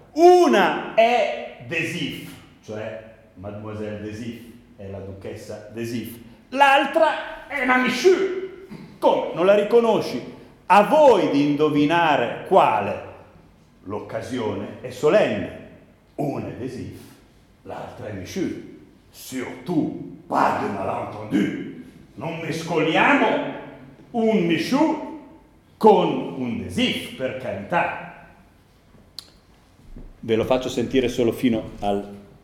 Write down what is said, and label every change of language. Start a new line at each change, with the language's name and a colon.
Italian: Una è Desif, cioè Mademoiselle Desif, è la duchessa Desif. L'altra è una Michu. Come? Non la riconosci? A voi di indovinare quale. L'occasione è solenne. Una è Desif, l'altra è Michu.
French: Surtout, pas de malentendu.
Italian: Non mescoliamo un Michu con un Desif, per carità. Ve lo faccio sentire solo fino al...